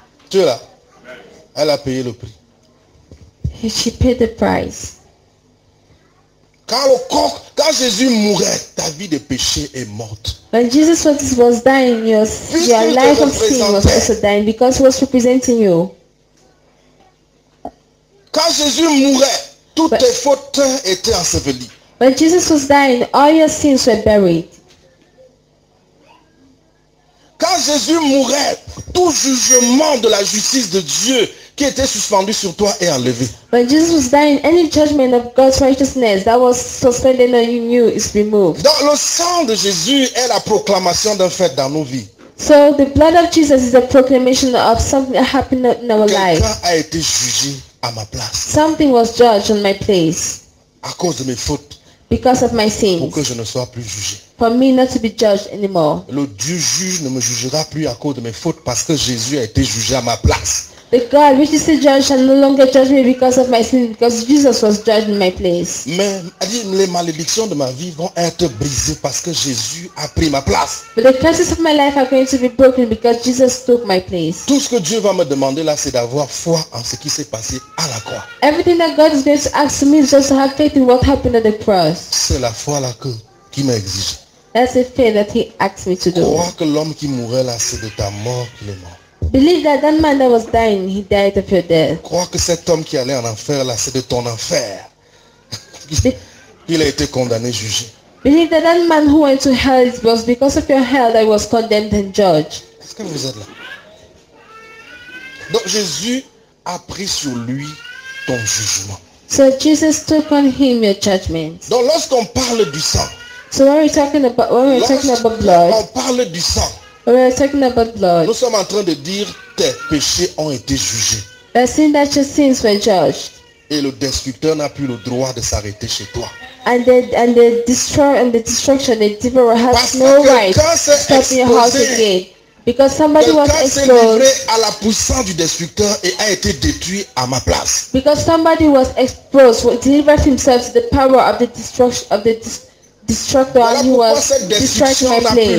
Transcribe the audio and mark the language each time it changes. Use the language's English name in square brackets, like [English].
[French] Tu es là. Elle a payé le prix. [English] She paid the price. [French] Quand le coq, quand Jésus mourait, ta vie de péché est morte. [English] When Jesus was dying, your life of sin was also dying because he was representing you. [French] Quand Jésus mourait, toutes tes fautes étaient ensevelies. [English] When Jesus was dying, all your sins were buried. [French] Quand Jésus mourait, tout jugement de la justice de Dieu qui était suspendu sur toi est enlevé. [English] When Jesus was dying, any judgment of God's righteousness that was suspended on you is removed. [French] Donc le sang de Jésus est la proclamation d'un fait dans nos vies. [English] So the blood of Jesus is a proclamation of something that happened in our life. [French] Quelqu'un a été jugé à ma place. [English] Something was judged on my place. [French] À cause de mes fautes. [English] Because of my sins. [French] Pour que je ne sois plus jugé. [English] For me not to be judged anymore. [French] Le Dieu juge ne me jugera plus à cause de mes fautes parce que Jésus a été jugé à ma place. [English] The God which is the judge shall no longer judge me because of my sins because Jesus was judged in my place. [French] Mais les malédictions de ma vie vont être brisées parce que Jésus a pris ma place. [English] But the curses of my life are going to be broken because Jesus took my place. [French] Tout ce que Dieu va me demander là, c'est d'avoir foi en ce qui s'est passé à la croix. [English] Everything that God is going to ask me is just to have faith in what happened at the cross. [French] C'est la foi là qui m'a exigé. [English] That's the thing that he asked me to do. [French] Crois que l'homme qui mourait là, c'est de ta mort qu'il est mort. [English] Believe that that man that was dying, he died of your death. [French] Crois que cet homme qui allait en enfer là, c'est de ton enfer. Il a été condamné, jugé. [English] Believe that that man who went to hell is because of your hell that was condemned and judged. [French] Est-ce que vous êtes là? Donc Jésus a pris sur lui ton jugement. [English] So Jesus took on him your judgment. [French] Donc lorsqu'on parle du sang. [English] So when we're talking about blood. [French] On parle du sang. [English] We're talking about blood. [French] Nous sommes en train de dire tes péchés ont été jugés. [English] That's saying that your sins were judged. [French] Et le destructeur n'a plus le droit de s'arrêter chez toi. [English] And the destruction, the devil has [French] parce [English] no right to stop [French] exposé, [English] your house again. Because somebody was exposed. [French] À la puissance du destructeur et a été détruit à ma place. [English] Because somebody was exposed, delivered himself to the power of the destruction of the destructor, [French] voilà [English] and he was destroying my place.